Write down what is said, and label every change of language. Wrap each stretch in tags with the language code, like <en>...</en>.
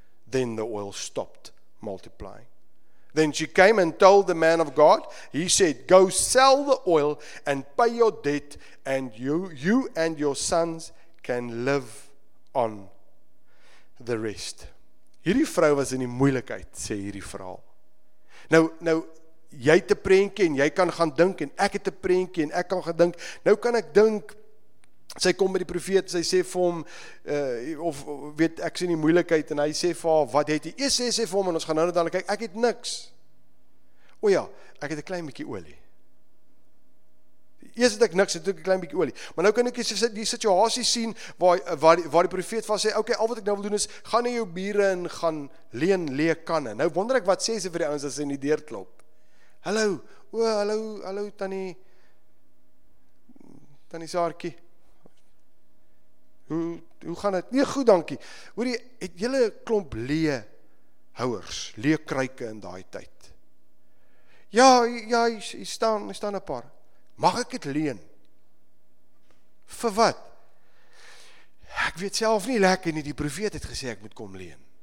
<en>Then the oil stopped multiplying. Then she came and told the man of God. He said, go sell the oil and pay your debt, and you and your sons can live on the rest.</en> <af>Hierdie vrou was in die moeilikheid, sê hierdie verhaal. Nou, jy het 'n prentjie en jy kan gaan dink, en ek het 'n prentjie en ek kan gaan dink, nou kan ek dink, sy kom by die profeet, sy sê vir hom, of weet, ek sien die moeilikheid, en hy sê vir haar, wat het jy? Eers sê vir hom, en ons gaan nou dan kyk, ek het niks. O ja, ek het 'n klein bietjie olie. Eers het ek niks, het ek een klein bietjie olie. Maar nou kan ek die situasie sien waar die profeet van sê, okay, al wat ek nou wil doen is, gaan na jou bure en gaan leen leë kanne. Nou wonder ek wat sê sy vir die ouens as sy in die deur klop. Hallo, hallo tannie Saartjie. Hoe gaan dit? Nee, goed, dankie. Hoor jy, het julle klomp leë houers, leë kruike in daai tyd? Ja, hy staan 'n paar. Mag ek het leen? Vir wat? Ek weet self nie lekker nie, die profeet het gesê ek moet kom leen.</af>